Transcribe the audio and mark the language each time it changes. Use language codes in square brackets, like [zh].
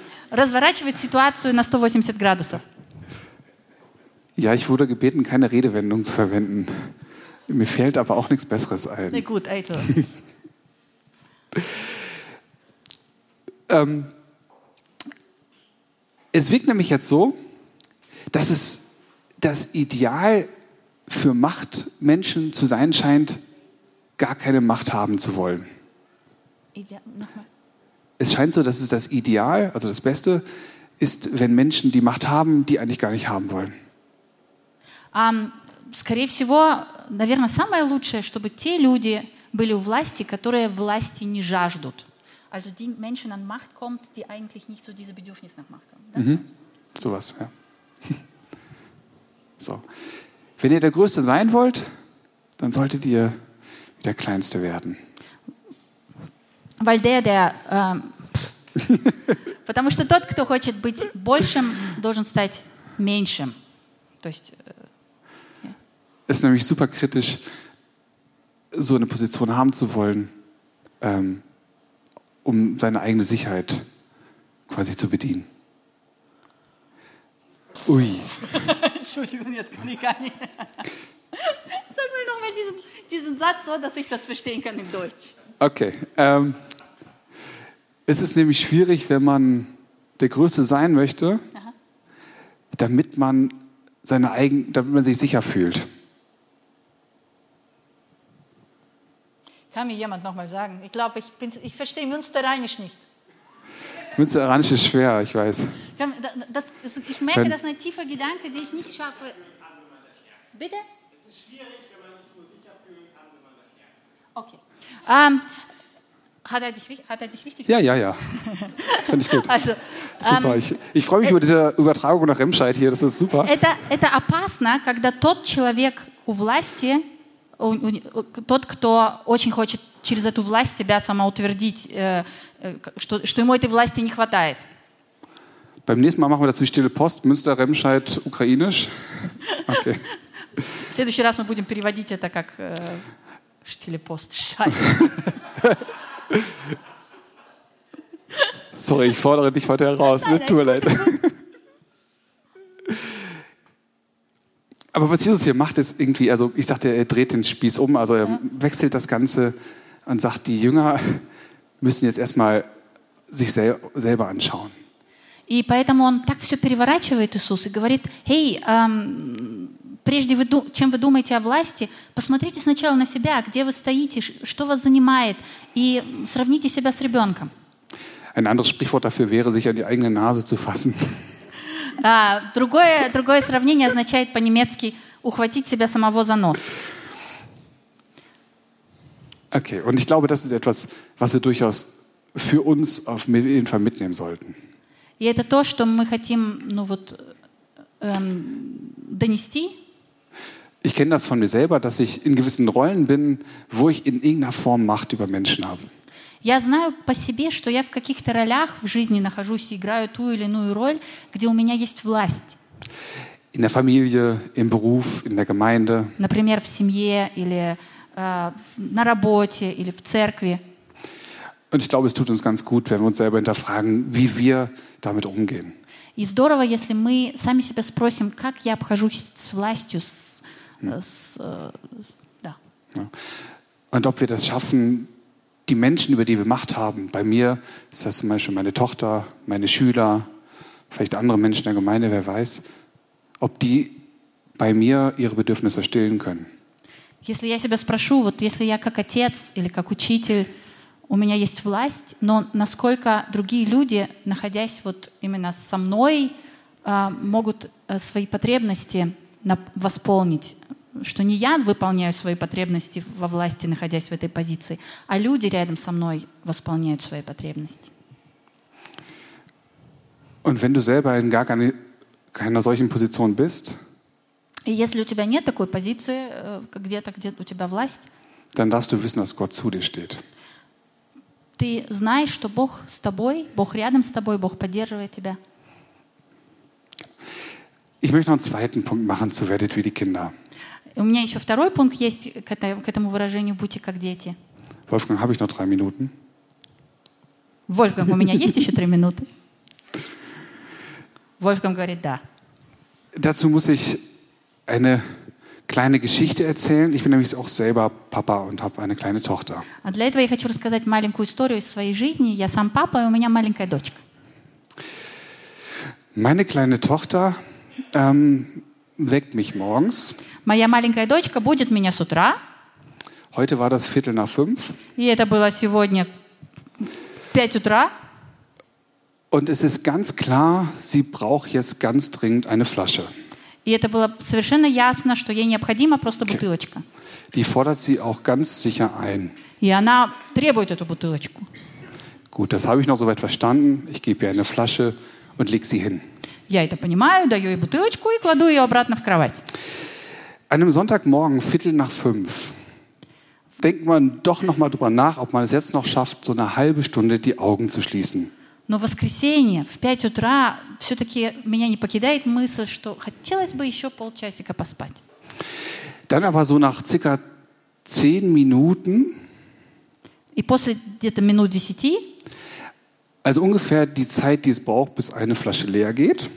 [ru] Разворачивает ситуацию на 180 градусов. [de] Ja, ich wurde gebeten, keine Redewendung zu verwenden. Mir fällt aber auch nichts Besseres ein. Na gut, also. Es wirkt nämlich jetzt so, dass es das Ideal für Machtmenschen zu sein scheint, gar keine Macht haben zu wollen. Es scheint so, dass es das Ideal, also das Beste, ist, wenn Menschen die Macht haben, die eigentlich gar nicht haben wollen. [ru] Скорее всего, наверное, самое лучшее, чтобы те люди были у власти, которые власти не жаждут. [de] Also die Menschen an Macht kommt, die eigentlich nicht so diese Bedürfnis nach Macht haben. Mhm. So was, ja. So. Wenn ihr der Größte sein wollt, dann solltet ihr der Kleinste werden. Weil der [ru] потому что тот, кто хочет быть большим, должен стать меньшим. То есть, [en] yeah. [de] Ist nämlich super kritisch, so eine Position haben zu wollen, um seine eigene Sicherheit quasi zu bedienen. Ui. Entschuldigung, jetzt kann ich gar nicht. Sag mal nochmal diesen Satz so, dass ich das verstehen kann in Deutsch. Okay. Es ist nämlich schwierig, wenn man der Größte sein möchte, damit man seine eigen, damit man sich sicher fühlt. Kann mir jemand nochmal sagen? Ich glaube, ich verstehe Münsteranisch nicht. Münsteranisch ist schwer, ich weiß. Ich merke, das ist ein tiefer Gedanke, den ich nicht schaffe. Bitte? Es ist schwierig, wenn man sich nur sicher fühlen kann, wenn man das Herz ist. Okay. Hat er dich richtig gesagt? Ja. Finde ich gut. Also, super. Ich freue mich über diese Übertragung nach Remscheid hier, das ist super. [ru] Это опасно, когда тот человек у власти, тот, кто очень хочет через эту власть себя самоутвердить, что ему этой власти не хватает. [de] Beim nächsten Mal machen wir dazu Stille Post, Münster, Remscheid, ukrainisch. [ru] Okay. В следующий раз мы будем переводить это как Stille Post. [de] Sorry, ich fordere dich heute heraus. Nein, tut mir leid. Aber was Jesus hier macht, ist irgendwie, also ich sagte, er dreht den Spieß um, also er wechselt das Ganze und sagt, die Jünger müssen jetzt erstmal sich selber anschauen. [ru] И поэтому он так все переворачивает, Иисус, и говорит, «Эй, прежде чем вы думаете о власти, посмотрите сначала на себя, где вы стоите, что вас занимает, и сравните себя с ребенком». [de] Ein anderes Sprichwort dafür wäre, sich an die eigene Nase zu fassen. [ru] Другое сравнение означает по-немецки «ухватить себя самого за нос». [de] Okay, und ich glaube, das ist etwas, was wir durchaus für uns auf jeden Fall mitnehmen sollten. [ru] И это то, что мы хотим, ну вот, донести. [de] Ich kenne das von mir selber, dass ich in gewissen Rollen bin, wo ich in irgendeiner Form Macht über Menschen habe. [ru] Я знаю по себе, что я в каких-то ролях в жизни нахожусь и играю ту или иную роль, где у меня есть власть. [de] In der Familie, im Beruf, in der Gemeinde. [ru] Например, в семье или на работе или в церкви. [de] Und ich glaube, es tut uns ganz gut, wenn wir uns selber hinterfragen, wie wir damit umgehen. [ru] И здорово, если мы сами себя спросим, как я обхожусь с властью, да. [de] Und ob wir das schaffen, die Menschen, über die wir Macht haben, bei mir ist das zum Beispiel meine Tochter, meine Schüler, vielleicht andere Menschen der Gemeinde, wer weiß, ob die bei mir ihre Bedürfnisse stillen können. [ru] Если я себя спрошу, вот если я как отец или как учитель, у меня есть власть, но насколько другие люди, находясь вот именно со мной, могут свои потребности восполнить, что не я выполняю свои потребности во власти, находясь в этой позиции, а люди рядом со мной восполняют свои потребности. [de] Und wenn du selber in gar keiner solchen Position bist, [ru] и если у тебя нет такой позиции, где-то, где у тебя власть, [de] dann darfst du wissen, dass Gott zu dir steht. [ru] Ты знаешь, что Бог с тобой, Бог рядом с тобой, Бог поддерживает тебя. [de] Ich möchte noch einen zweiten Punkt machen, zu werdet wie die Kinder. [ru] У меня еще второй пункт есть к этому выражению «будьте как дети». [de] Wolfgang, habe ich noch 3 Minuten? [ru] Wolfgang, у меня есть еще 3 минуты? Wolfgang говорит «да». [de] Dazu muss ich eine kleine Geschichte erzählen. Ich bin nämlich auch selber Papa und habe eine kleine Tochter. [ru] А для этого я хочу рассказать маленькую историю из своей жизни. Я сам папа, и у меня маленькая дочка. [de] Meine kleine Tochter weckt mich morgens. [ru] Моя маленькая дочка будет меня с утра. [de] Heute war das 4:45. [ru] И это было сегодня 5 утра. [de] Und es ist ganz klar, sie braucht jetzt ganz dringend eine Flasche. [ru] И это было совершенно ясно, что ей необходима просто бутылочка. [de] Die fordert sie auch ganz sicher ein. [ru] И она требует эту бутылочку. [de] Gut, das habe ich noch soweit verstanden. Ich gebe ihr eine Flasche und leg sie hin. [ru] Я это понимаю, даю ей бутылочку и кладу ее обратно в кровать. [de] Einem Sonntagmorgen, 4:45, denkt man doch noch mal drüber nach, ob man es jetzt noch schafft, so eine halbe Stunde die Augen zu schließen. [ru] Но в воскресенье, в 5 утра, все-таки меня не покидает мысль, что хотелось бы еще полчасика поспать. [de] Dann aber so nach circa 10 Minuten. [ru] И после где-то минут 10. [de] Also ungefähr die Zeit, die es braucht, bis eine Flasche leer geht.